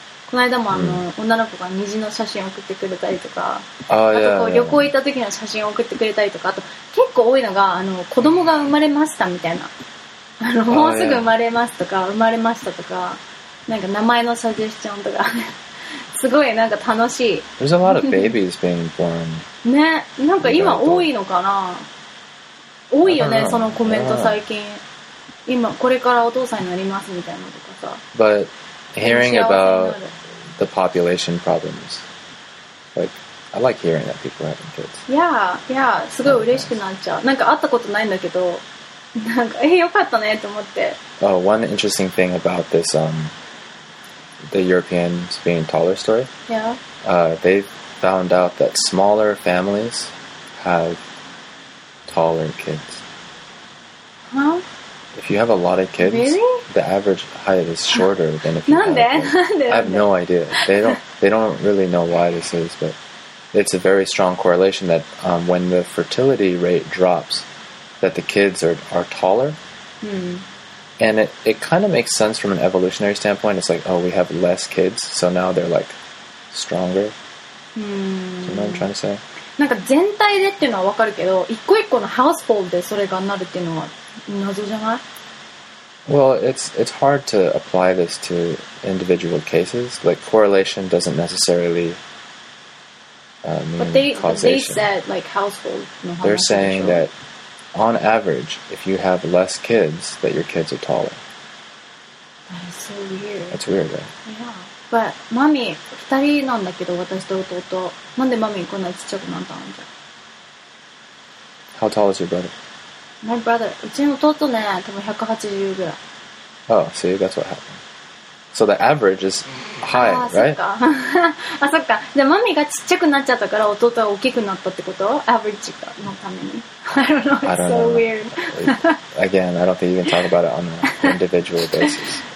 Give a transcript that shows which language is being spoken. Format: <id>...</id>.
<ja>この間も女の子が虹の写真送ってくれたりとか、あとこう旅行行った時の写真を送ってくれたりとか、あと結構多いのが子供が生まれましたみたいな、もうすぐ生まれますとか生まれましたとか、なんか名前のサジェスチョンとか、すごいなんか楽しい。</ja> <en>There's a lot of babies being born.</en> <ja>ね、なんか今多いのかな。多いよね、そのコメント最近。今これからお父さんになりますみたいなとかさ。</ja> <en>But hearing about the population problems, like I like hearing that people having kids. Yeah, yeah,</en> <ja>すごい嬉しくなっちゃう。なんか会ったことないんだけど、なんかよかったねと思って。</ja> <en>Oh, one interesting thing about this, the Europeans being taller story. Yeah. They found out that smaller families have. Taller kids. Huh? If you have a lot of kids, really? The average height is shorter than if you have. Nande? I have no idea. They don't really know why this is, but it's a very strong correlation that when the fertility rate drops, that the kids are taller. Hmm. And it kind of makes sense from an evolutionary standpoint. It's like, oh, we have less kids, so now they're like stronger. Hmm. Do you know what I'm trying to say?</en> <ja>なんか全体でっていうのは分かるけど、一個一個のハウスフォールでそれがなるっていうのは謎じゃない？</ja> <en>Well, it's hard to apply this to individual cases. Like, correlation doesn't necessarily mean causation. But they said, like, household. They're saying that, on average, if you have less kids, that your kids are taller. That is so weird. That's weird, right? Yeah. But, mommy,</en> <ja>二人なんだけど、私と弟。なんで mommy こんなちっちゃくなったんじゃ。</ja> <en>How tall is your brother? My brother.</en> <ja>うちの弟ね、多分180ぐらい。</ja> <en>Oh, so that's what happened. So the average is high, right?</en> <ja>あ、そっか。じゃあ、マミがちっちゃくなっちゃったから、弟は大きくなったってこと？</ja> <en>Average</en> <ja>のために。</ja> <en>I don't know. It's so weird. Again, I don't think you can talk about it on an individual basis.</en>